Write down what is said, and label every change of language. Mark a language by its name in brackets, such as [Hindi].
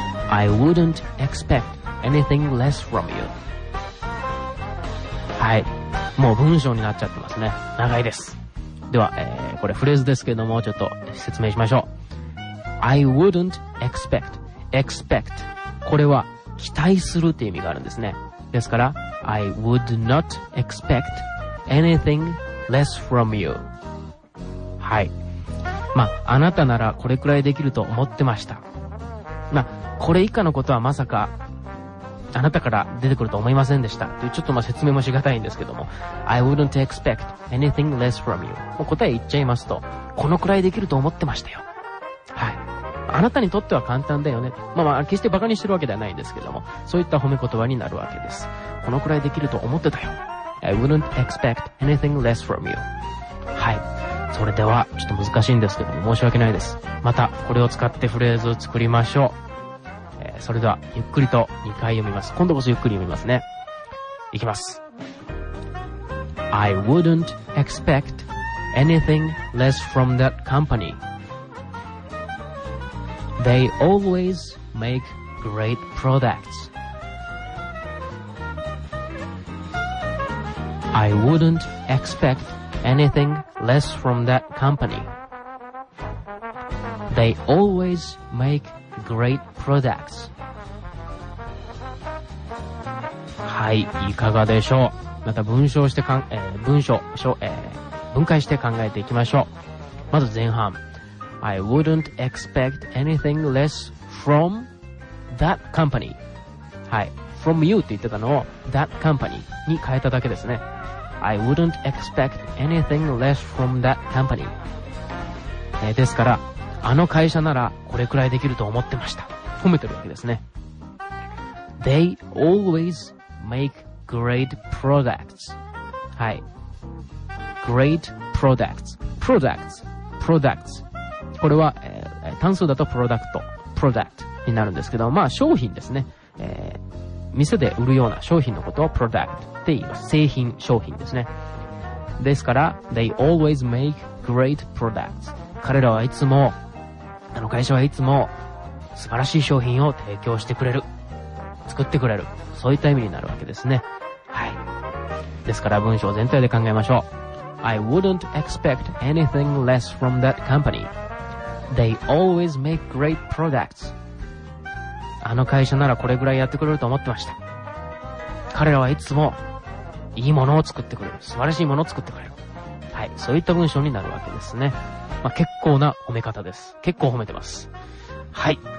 [English] I wouldn't expect anything less from you. [Japanese] はい、もう文章になっちゃってますね。長いです。では、これフレーズですけども、ちょっと説明しましょう。 [English] I wouldn't expect. Expect. [Japanese] これは期待するって意味があるんですね。ですから、 [English] I would not expect anything less from you. [Japanese] はい。まあ、あなたならこれくらいできると思ってました。まあ、これ以下のことはまさか、あなたから出てくると思いませんでした。ちょっとまあ説明もしがたいんですけども。 [English] I wouldn't expect anything less from you. [Japanese] もう答え言っちゃいますと、このくらいできると思ってましたよ。はい。あなたにとっては簡単だよね。まあまあ、決してバカにしてるわけではないんですけども、そういった褒め言葉になるわけです。このくらいできると思ってたよ。 [English] I wouldn't expect anything less from you. はい。 [Japanese] それでは、ちょっと難しいんですけども、申し訳ないです。また、これを使ってフレーズを作りましょう。それではゆっくりと2回読みます。今度こそゆっくり読みますね。いきます。 [English] I wouldn't expect anything less from that company. They always make great products. I wouldn't expect anything less from that company. They always make great products. [Japanese] はい、いかがでしょう。また文章して分解して考えていきましょう。まず前半、 [English] I wouldn't expect anything less from that company。 [Japanese] はい、 [English] from you [Japanese] って言ってたのを that company に変えただけですね。 [English] I wouldn't expect anything less from that company、 [Japanese] ですからあの会社ならこれくらいできると思ってました。褒めてるわけですね。 [English] They alwaysmake great products. はい。 great products. products. products. [Japanese] これは、単数だと product. product. になるんですけど、まあ商品ですね、店で売るような商品のことを product って言います。製品、商品ですね。 [English] ですから、they always make great products. [Japanese] 彼らはいつも、あの会社はいつも素晴らしい商品を提供してくれる。作ってくれる。そういった意味になるわけですね。はい。ですから文章全体で考えましょう。 [English] I wouldn't expect anything less from that company. They always make great products. [Japanese] あの会社ならこれぐらいやってくれると思ってました。彼らはいつもいいものを作ってくれる。素晴らしいものを作ってくれる。はい。そういった文章になるわけですね。まあ、結構な褒め方です。結構褒めてます。はい。